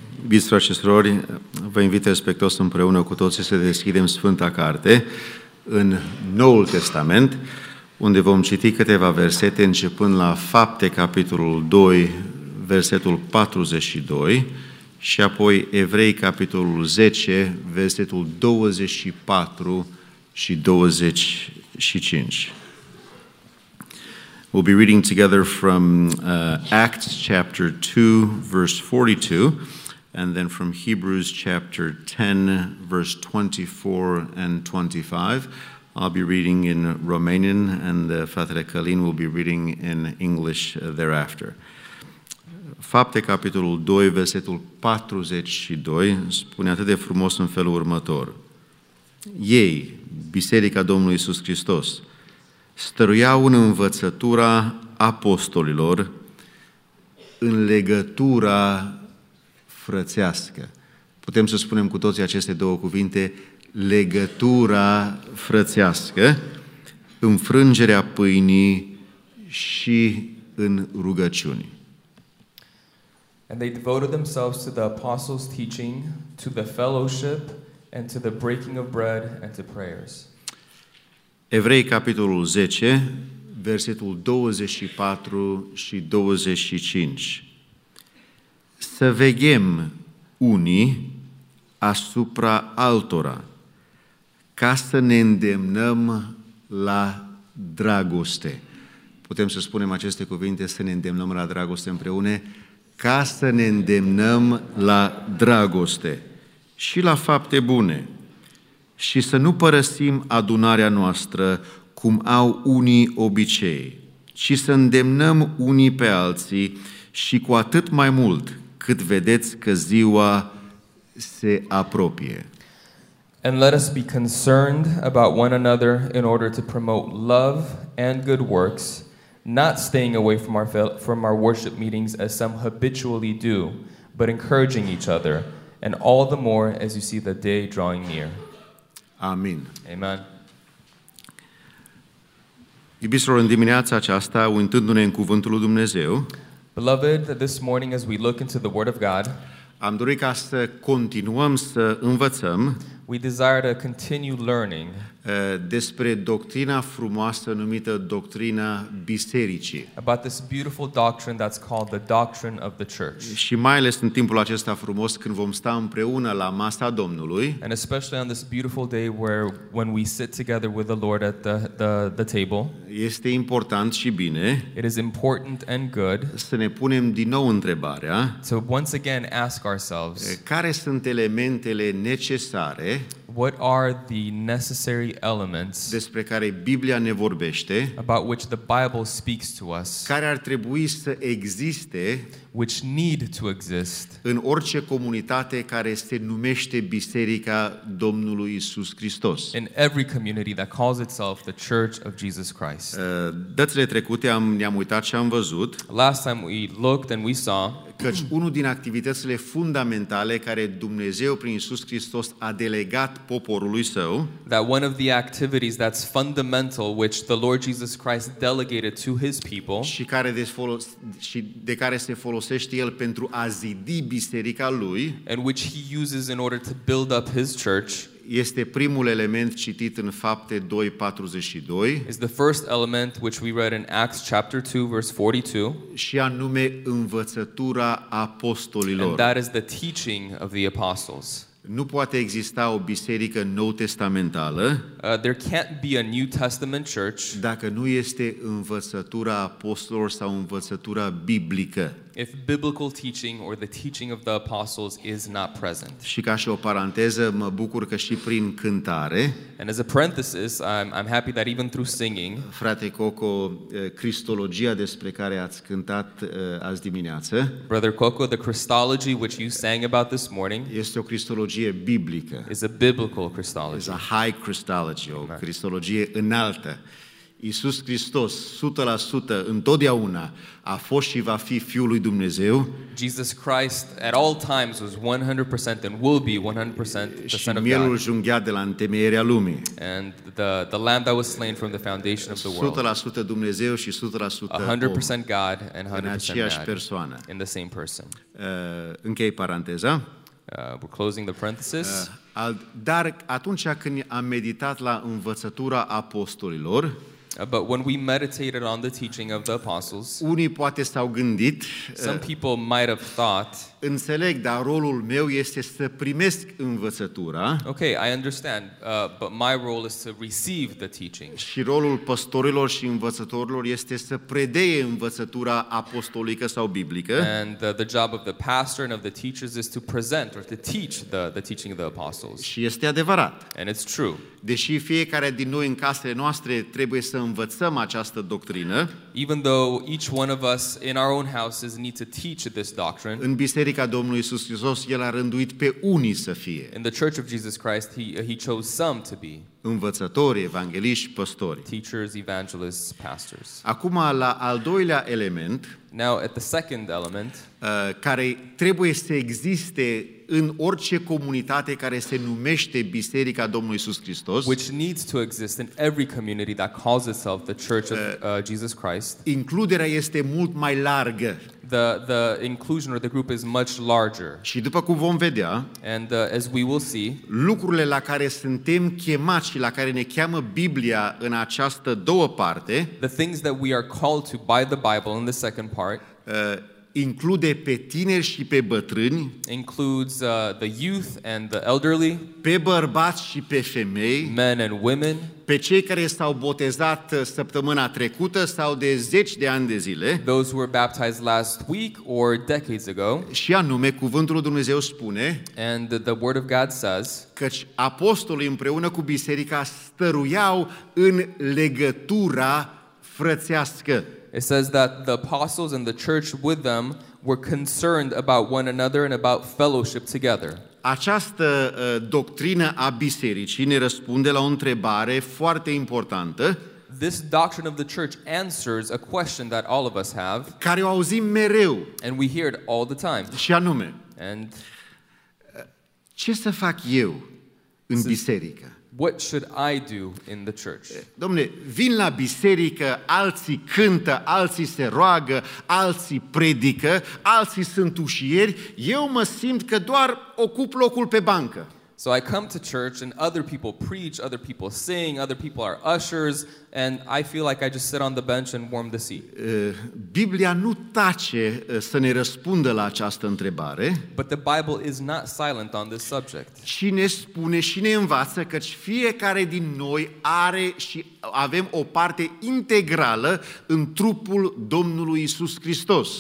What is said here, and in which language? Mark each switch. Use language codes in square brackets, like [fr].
[ro] Iubiți frați și surori, vă invit respectos împreună cu toții să deschidem Sfânta Carte în Noul Testament, unde vom citi câteva versete începând la Fapte, capitolul 2, versetul 42, și apoi Evrei, capitolul 10, versetul 24 și 25. [en] We'll be reading together from Acts chapter 2, verse 42, and then from Hebrews chapter 10, verse 24 and 25. I'll be reading in Romanian, and Fratele Călin will be reading in English thereafter. [ro] Fapte, capitolul 2, versetul 42, spune atât de frumos în felul următor. Ei, Biserica Domnului Iisus Hristos, stăruiau în învățătura apostolilor, în legătura frățească. Putem să spunem cu toții aceste două cuvinte, legătura frățească, în frângerea pâinii și în rugăciuni. [en] And they devoted themselves to the apostles' teaching, to the fellowship, and to the breaking of bread, and to prayers. [ro] Evrei, capitolul 10, versetul 24 și 25. Să veghem unii asupra altora, ca să ne îndemnăm la dragoste. Putem să spunem aceste cuvinte, să ne îndemnăm la dragoste împreună, ca să ne îndemnăm la dragoste și la fapte bune. Și să nu părăsim adunarea noastră, cum au unii obicei, ci să îndemnăm unii pe alții și cu atât mai mult cât vedeți că ziua se apropie. [en] And let us be concerned about one another in order to promote love and good works, not staying away from our worship meetings as some habitually do, but encouraging each other, and all the more as you see the day drawing near. [ro] Amin. [en] Amen. [ro] Iubiților, în dimineața aceasta, uitându-ne în cuvântul lui Dumnezeu, [en] beloved, this morning as we look into the word of God, [ro] am dorit ca să continuăm să învățăm, [en] we desire to continue learning, [ro] despre doctrina frumoasă numită doctrina bisericii. [en] About this beautiful doctrine that's called the doctrine of the church. [ro] Și mai ales în timpul acesta frumos când vom sta împreună la masa Domnului. [en] And especially on this beautiful day where when we sit together with the Lord at the table. [ro] Este important și bine. [en] It is important and good. [ro] Să ne punem din nou întrebarea. [en] To once again ask ourselves. [ro] Care sunt elementele necesare? [en] What are the necessary elements [ro] despre care Biblia ne vorbește, [en] about which the Bible speaks to us, [ro] care ar trebui să existe, [en] which need to exist, [ro] în orice comunitate care se numește Biserica Domnului Iisus Hristos. [en] In every community that calls itself the Church of Jesus Christ. [ro] Datele trecute ne-am uitat și am văzut. [en] Last time we looked and we saw. [ro] Căci unul din activitățile fundamentale care Dumnezeu prin Iisus Hristos a delegat poporului său, [en] that one of the activities that's fundamental which the Lord Jesus Christ delegated to his people, [ro] și de care se folosește el pentru a zidi biserica lui, [en] and which he uses in order to build up his church, [ro] este primul element citit în Fapte 2, 42, [en] is the first element which we read in Acts chapter 2, verse 42, [ro] și anume învățătura apostolilor. [en] And that is the teaching of the apostles. [ro] Nu poate exista o biserică nou testamentală [en] there can't be a New Testament church [ro] dacă nu este învățătura apostolilor sau învățătura biblică. [en] If biblical teaching or the teaching of the apostles is not present. [ro] Și ca și o paranteză, mă bucur că și prin cântare. [en] And as a parenthesis, I'm happy that even through singing. [ro] Frate Coco, Cristologia despre care ați cântat azi dimineață. [en] Brother Coco, the Christology which you sang about this morning. [ro] Este o Cristologie biblică. [en] Is a biblical Christology. Is a high Christology, [ro] o Cristologie înaltă. Iisus Hristos, 100%, întotdeauna, a fost și va fi Fiul lui Dumnezeu. [en] Jesus Christ, at all times, was 100% and will be 100% the Son of God. [ro] Și mielul junghiat de la întemeierea lumii. [en] And the lamb that was slain from the foundation of the world. [ro] 100% Dumnezeu și 100% om. [en] 100% God and 100% man. [ro] În aceeași persoană. [en] In the same person. [ro] Închei paranteza. [en] we're closing the parenthesis. [ro] Dar atunci când am meditat la învățătura apostolilor, [en] but when we meditated on the teaching of the apostles, [ro] unii poate s-au gândit, [en] some people might have thought, [ro] înțeleg, dar rolul meu este să primesc învățătura. [en] Okay, I understand, but my role is to receive the teaching. [ro] Și rolul păstorilor și învățătorilor este să predeie învățătura apostolică sau biblică. [en] And the job of the pastor and of the teachers is to present or to teach the teaching of the apostles. [ro] Și este adevărat. [en] And it's true. [ro] Deși fiecare din noi în casele noastre trebuie să învățăm această doctrină, [en] even though each one of us in our own houses need to teach this doctrine, [ro] în biserica Domnului Iisus Hristos el a rânduit pe unii să fie. [en] In the Church of Jesus Christ he chose some to be. [ro] Învățători, evangheliști, păstori. [en] Teachers, evangelists, pastors. [ro] Acum la al doilea element, [en] now at the second element, [ro] care trebuie să existe în orice comunitate care se numește Biserica Domnului Iisus Hristos, [en] which needs to exist in every community that calls itself the Church of Jesus Christ. [ro] Includerea este mult mai largă. [en] The inclusion or the group is much larger. [ro] Și după cum vom vedea, [en] and as we will see, [ro] lucrurile la care suntem chemați și la care ne cheamă Biblia în această două parte, [en] the things that we are called to by the Bible in the second part, [ro] include pe tineri și pe bătrâni, [en] includes the youth and the elderly, [ro] pe bărbați și pe femei, [en] men and women, [ro] pe cei care s-au botezat săptămâna trecută sau de zeci de ani de zile, [en] those who were baptized last week or decades ago, [ro] și anume cuvântul lui Dumnezeu spune, [en] and the word of God says, [ro] căci apostolii împreună cu biserica stăruiau în legătura frățească. [en] It says that the apostles and the church with them were concerned about one another and about fellowship together. [ro] Această doctrină a bisericii ne răspunde la o întrebare foarte importantă. [en] This doctrine of the church answers a question that all of us have. [ro] Care o auzim mereu. [en] And we hear it all the time. [ro] Și anume, [en] and [ro] ce să fac eu în biserică? [en] What should I do in the church? [ro] Domne, vin la biserică, alții cântă, alții se roagă, alții predică, alții sunt ușieri, eu mă simt că doar ocup locul pe bancă. [en] So I come to church and other people preach, other people sing, other people are ushers, and I feel like I just sit on the bench and warm the seat. [ro] Biblia nu tace să ne răspundă la această întrebare. [en] But the Bible is not silent on this subject. [ro] Și ne spune și ne învață că fiecare din noi are și avem o parte integrală în trupul Domnului Iisus Hristos.